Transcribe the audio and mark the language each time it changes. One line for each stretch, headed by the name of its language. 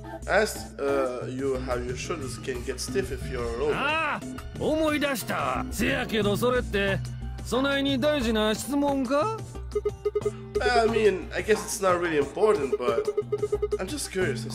English: Ask you how your shoulders can get stiff if you're alone.
Japanese: ああ、思い出したわ。せやけどそれって、そないに大事な質問か？
English: I mean, I guess it's not really important, but I'm just curious, I suppose.